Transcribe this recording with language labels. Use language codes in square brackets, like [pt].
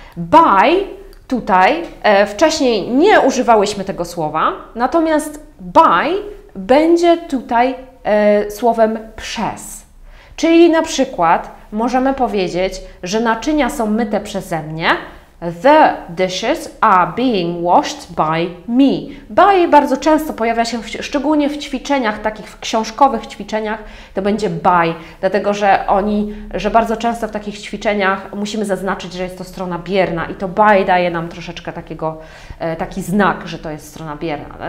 [pl] By tutaj wcześniej nie używałyśmy tego słowa, natomiast by będzie tutaj słowem przez. Czyli na przykład możemy powiedzieć, że naczynia są myte przeze mnie. [en] The dishes are being washed by me. [pl] By bardzo często pojawia się, szczególnie w ćwiczeniach, takich w książkowych ćwiczeniach, to będzie by, dlatego że bardzo często w takich ćwiczeniach musimy zaznaczyć, że jest to strona bierna i to by daje nam troszeczkę taki znak, że to jest strona bierna.